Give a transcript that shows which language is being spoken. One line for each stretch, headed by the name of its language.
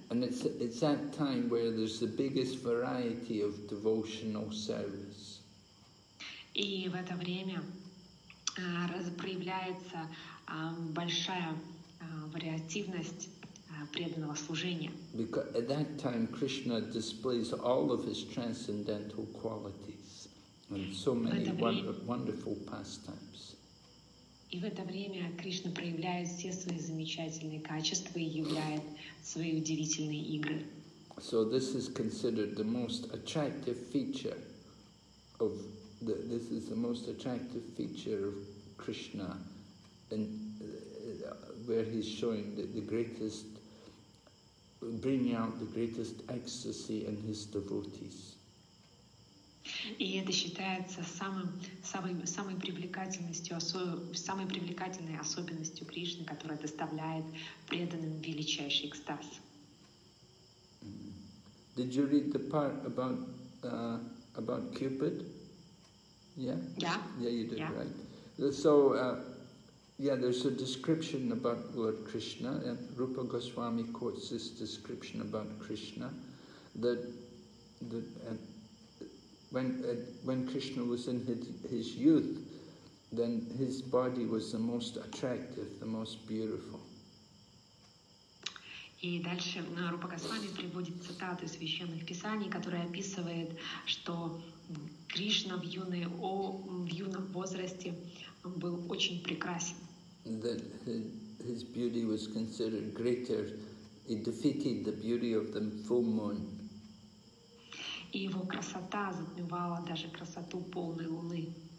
English: And it's that time where there's the biggest variety of devotional service.
Russian: И в это время проявляется большая вариативность преданного служения.
English: Because at that time Krishna displays all of his transcendental qualities and so many wonderful pastimes.
Russian: И в это время Кришна проявляет все свои замечательные качества и являет свои удивительные игры.
English: So this is considered the most attractive feature of this is the most attractive feature of Krishna, and where he's showing the greatest, bringing out the greatest ecstasy in his devotees.
Russian: И это считается самой привлекательной особенностью Кришны, которая доставляет преданным величайший экстаз.
English: Did you read the part about Cupid? Yeah. Yeah. Yeah, you did, yeah. Right. So, there's a description about Lord Krishna, and Rupa Goswami quotes this description about Krishna, that when Krishna was in his youth, then his body was the most attractive, the most beautiful.
Russian: И дальше Рупа Госвами приводит цитату из священных писаний, которая описывает, что Кришна в юном возрасте был очень прекрасен.
English: That his beauty was considered greater. He defeated the beauty of the full moon.
Russian: И его красота затмевала даже красоту полной луны.